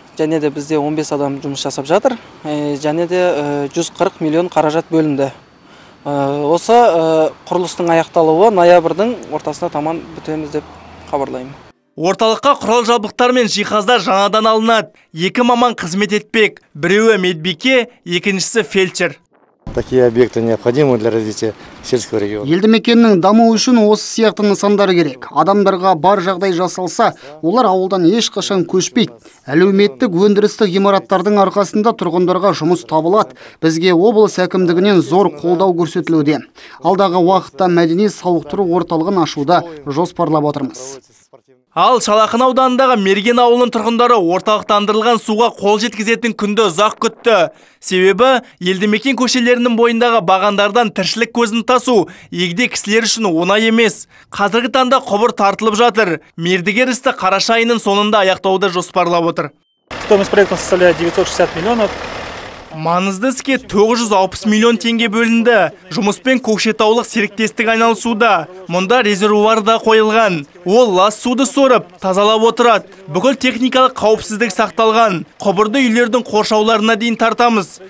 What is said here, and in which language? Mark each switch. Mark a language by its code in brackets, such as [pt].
[kk] Және де бізде 15 адам жұмыс жасап жатыр. Және де 140 миллион қаражат бөлінді. Осы құрылыстың аяқталуы ноябрьдің ортасына таман бітеміз деп хабарлаймын. Орталыққа құрал жабдықтар мен жиһаздар жаңадан алынады. Екі маман қызмет етпек. Біреуі медбике, екіншісі фельдшер. [ru] Такие объекты необходимы для развития сельского региона. [kk] Елді мекеннің дамуы үшін осы сияқты нысандар керек. Адамдарға бар жағдай жасалса, олар ауылдан ешқашан көшпейді. Әлеуметтік өндірістік ғимараттардың арқасында тұрғындарға жұмыс табылады. Бізге облыс әкімдігінен зор қолдау көрсетілуде. Алдағы уақытта мәдени сауықтыру орталығын ашуда жоспарлап отырмыз. Ал Шалақын ауданындағы Мерген ауылының тұрғындары орталықтандырылған суға қол жеткізетін күнді ұзақ күтті. Себебі, елді мекен көшелерінің бойындағы бағандардан тіршілік көзін тасу егде кісілер үшін оңай емес. Қазіргі таңда құбыр тартылып жатыр. Мердігер істі қараша айының соңында аяқтауды жоспарлап отыр. [ru] Стоимость проекта составляет 960 миллионов. [kk] Маңызды іске 960 миллион теңге бөлінді. Жұмыспен көкшетаулық серіктестік айналысуда. Мұнда резервуар да қойылған. Ол лас суды сорып, тазалап отырады. Бүкіл техникалық қауіпсіздік сақталған. Құбырды үйлердің қоршауларына дейін тартамыз.